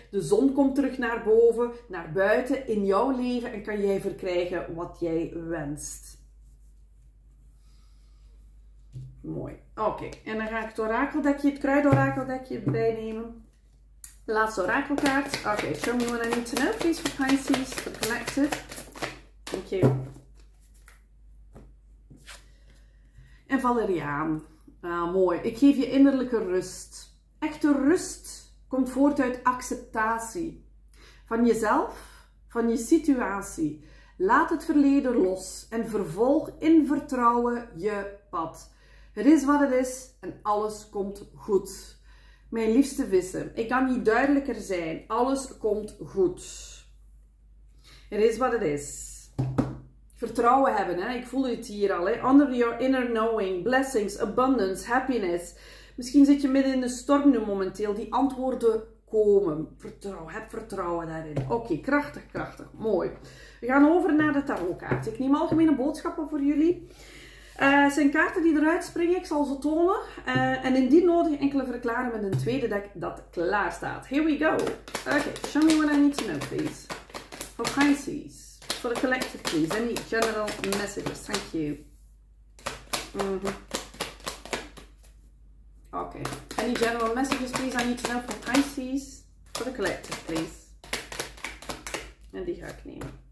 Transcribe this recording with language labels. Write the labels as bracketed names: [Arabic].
[Dutch] De zon komt terug naar boven, naar buiten, in jouw leven. En kan jij verkrijgen wat jij wenst. Mooi. Oké, en dan ga ik het orakeldekje, het kruidorakeldekje bijnemen. De laatste orakelkaart. [English] Oké, show me what I need to know, please, for Pisces, for collective. Thank you. [Dutch] En Valeriaan. Mooi. Ik geef je innerlijke rust. Echte rust komt voort uit acceptatie. Van jezelf, van je situatie. Laat het verleden los en vervolg in vertrouwen je pad. Het is wat het is en alles komt goed. Mijn liefste vissen, ik kan niet duidelijker zijn. Alles komt goed. Het is wat het is. Vertrouwen hebben, hè? Ik voel het hier al. Hè? [English] Honor your inner knowing, blessings, abundance, happiness. [Dutch] Misschien zit je midden in de storm nu momenteel. Die antwoorden komen. Vertrouwen, heb vertrouwen daarin. Oké, krachtig, krachtig. Mooi. We gaan over naar de tarotkaart. Ik neem algemene boodschappen voor jullie. Het zijn kaarten die eruit springen. Ik zal ze tonen. En indien nodig enkele verklaren met een tweede deck dat klaar staat. [English] Here we go. Oké, show me what I need to know, please. For Pisces. For the collective, please. Any general messages. Thank you. Okay. Any general messages, please, I need to know for Pisces. For the collective, please. [Dutch] En die ga ik nemen.